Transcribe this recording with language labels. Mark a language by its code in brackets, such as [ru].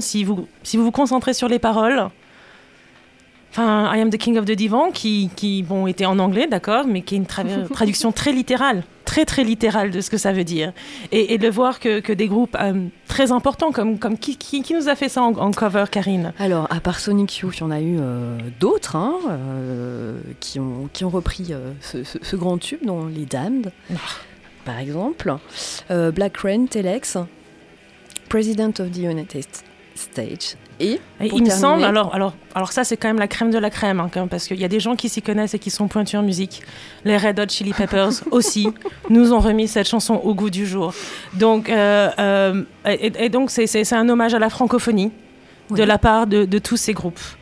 [fr] Si vous vous concentrez sur les paroles... Enfin, [en] I am the king of the divan, [fr] qui était en anglais, d'accord, mais qui est une traduction très littérale, très très littérale de ce que ça veut dire. Et de voir que des groupes très importants, comme qui nous a fait ça en cover, Karine? Alors, à part Sonic Youth, il y en a eu d'autres, hein, qui ont repris ce grand tube, dont les Damned, par exemple. Black Rain, Telex, President of the United States. Et il me semble, alors ça c'est quand même la crème de la crème, hein, quand même, parce qu'il y a des gens qui s'y connaissent et qui sont pointus en musique. Les Red Hot Chili Peppers aussi nous ont remis cette chanson au goût du jour. Donc, donc c'est un hommage à la francophonie de la part de tous ces groupes.